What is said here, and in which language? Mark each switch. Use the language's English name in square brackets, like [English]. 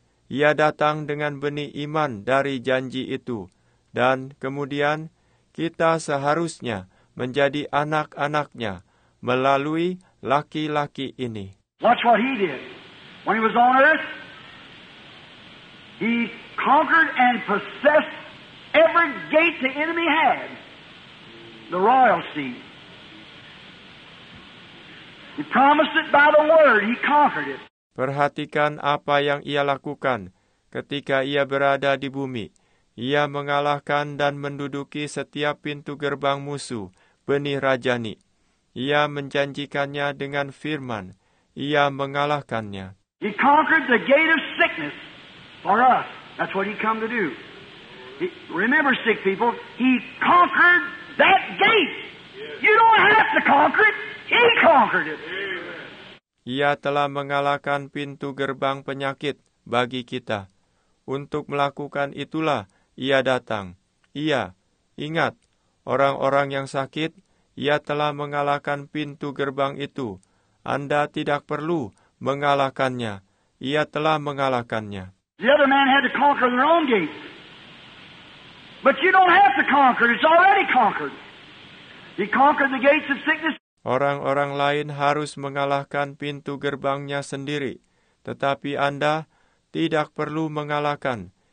[Indonesian] Ia datang dengan benih iman dari janji itu, dan kemudian kita seharusnya menjadi anak-anaknya melalui laki-laki ini. [English] Watch what he did. When he was on earth, he conquered and possessed every gate the enemy had, the royal seed. He promised it by the word. He conquered it. [Indonesian] Perhatikan apa yang ia lakukan ketika ia berada di bumi. Ia mengalahkan dan menduduki setiap pintu gerbang musuh, benih rajani. Ia menjanjikannya dengan firman. Ia mengalahkannya. [English] He conquered the gate of sickness for us. That's what he come to do. He, remember, sick people, he conquered that gate. You don't have to conquer it. He conquered it. [Indonesian] Ia telah mengalahkan pintu gerbang penyakit bagi kita. Untuk melakukan itulah ia datang. Ia, ingat, orang-orang yang sakit, ia telah mengalahkan pintu gerbang itu. Anda tidak perlu mengalahkannya. Ia telah mengalahkannya. [English] The other man had to conquer their own gate. But you don't have to conquer. It's already conquered. He conquered the gates of sickness. [Indonesian] Orang-orang lain harus mengalahkan pintu gerbangnya sendiri. Tetapi Anda tidak perlu mengalahkan.